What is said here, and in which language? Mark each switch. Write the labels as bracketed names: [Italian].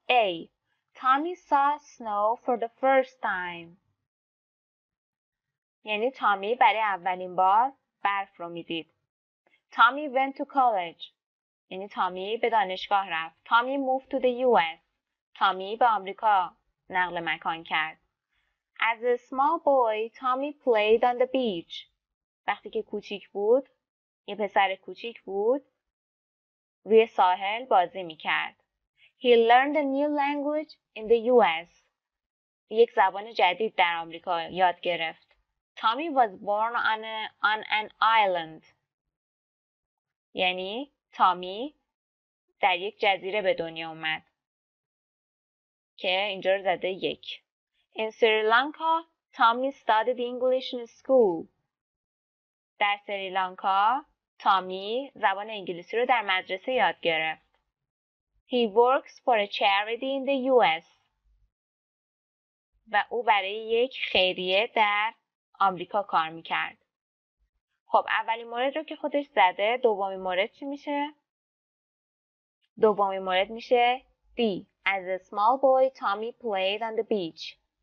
[English] A. Tommy saw snow for the first time. [Persian] یعنی تامی برای اولین بار برف رو می دید. [English] Tommy went to college. [Persian] یعنی تامی به دانشگاه رفت. [English] Tommy moved to the US. [Persian] تامی به آمریکا نقل مکان کرد. [English] As a small boy, Tommy played on the beach. [Persian] وقتی که کوچیک بود، یه پسر کوچیک بود، روی ساحل بازی می کرد. [English] He learned a new language in the US. [Persian] یک زبان جدید در آمریکا یاد گرفت. [English] Tommy was born on an island. [Persian] یعنی تامی در یک جزیره به دنیا اومد. که اینجا رو زده یک. [English] In Sri Lanka, Tommy studied English in school. [Persian] در سریلانکا تامی زبان انگلیسی رو در مدرسه یاد گرفت. [English] He works for a charity in the US. [Persian] و او برای یک خیریه در آمریکا کار میکرد. خب اولین مورد رو که خودش زده، دومین مورد چی میشه؟ دومین مورد میشه D. [English] As a small boy, Tommy played on the beach.